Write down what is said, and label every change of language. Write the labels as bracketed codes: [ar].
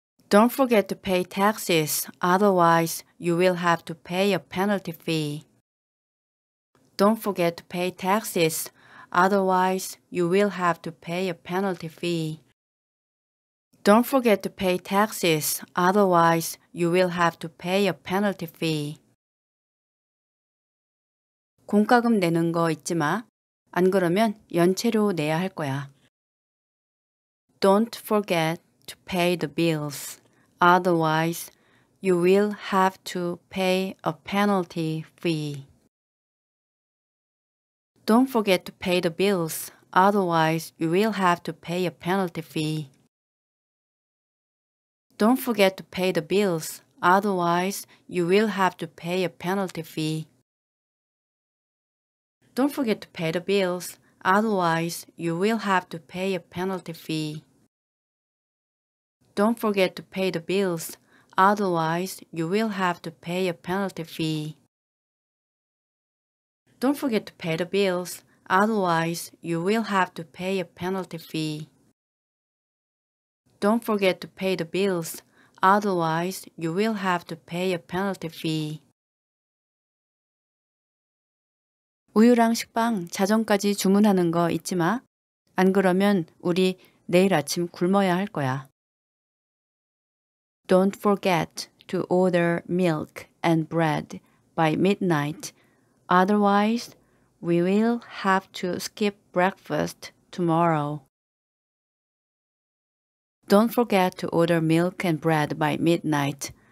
[en] Don't forget to pay taxes. Otherwise, you will have to pay a penalty fee. Don't forget to pay taxes. Otherwise, you will have to pay a penalty fee. Don't forget to pay taxes. Otherwise, you will have to pay a penalty fee. [ko] 공과금 내는 거 잊지 마. 안 그러면 연체료 내야 할 거야. [en] Don't forget to pay the bills. Otherwise, you will have to pay a penalty fee. Don't forget to pay the bills. Otherwise, you will have to pay a penalty fee. Don't forget to pay the bills. Otherwise, you will have to pay a penalty fee. Don't forget to pay the bills. Otherwise, you will have to pay a penalty fee. Don't forget to pay the bills. Otherwise, you will have to pay a penalty fee. Don't forget to pay the bills. Otherwise, you will have to pay a penalty fee. Don't forget to pay the bills. Otherwise, you will have to pay a penalty fee. [ko] 우유랑 식빵, 자정까지 주문하는 거 잊지 마. 안 그러면 우리 내일 아침 굶어야 할 거야. [en] Don't forget to order milk and bread by midnight. Otherwise, we will have to skip breakfast tomorrow. Don't forget to order milk and bread by midnight.